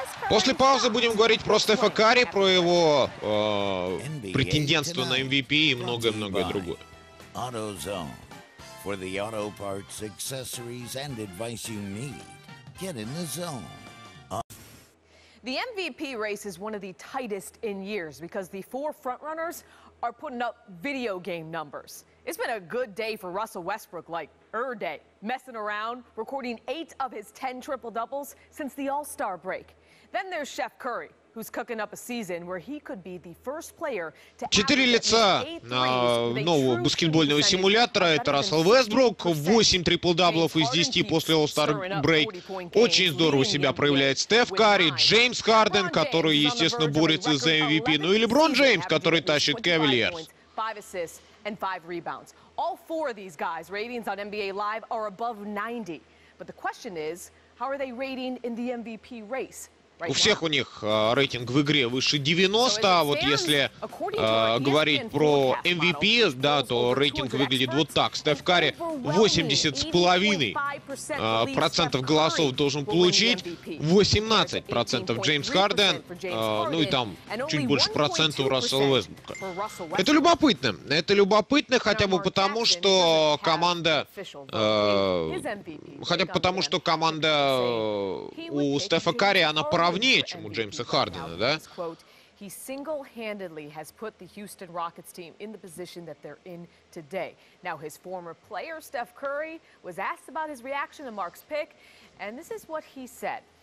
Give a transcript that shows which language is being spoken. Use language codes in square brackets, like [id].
[ru] После паузы будем говорить про Стефа Карри, про его претендентство на MVP и многое-многое другое. [en] AutoZone. For the auto parts, accessories and advice you need, get in the zone. The MVP race is one of the tightest in years because the four frontrunners are putting up video game numbers. It's been a good day for Russell Westbrook, like day, messing around, recording 8 of his 10 triple-doubles since the All-Star break. Then there's Chef Curry, who's cooking up a season where he could be the first player to... [ru] Четыре лица нового баскетбольного симулятора. Это Рассел Вестбрук. 8 трипл-даблов из 10 после All-Star break. Очень здорово себя проявляет Стеф Карри, Джеймс Харден, который, естественно, борется за MVP, ну и Леброн Джеймс, который тащит Кавильерс. [en] 5 assists and 5 rebounds. All four of these guys' ratings on NBA Live are above 90. But the question is, how are they rating in the MVP race? [ru] У всех у них рейтинг в игре выше 90, а вот если говорить про MVP, да, то рейтинг выглядит вот так. Стеф Карри 80,5% голосов должен получить, 18% Джеймс Харден, ну и там чуть больше процентов Рассел Уэстбрука. Это любопытно. Это любопытно хотя бы потому, что команда... у Стефа Карри, она поравнялась. Не, чем у Джеймса Хардена, да? [en] He single-handedly has put the Houston Rockets team in the position that they're in today. Now, his former player, Steph Curry, was asked about his reaction to Mark's pick, and this is what he said.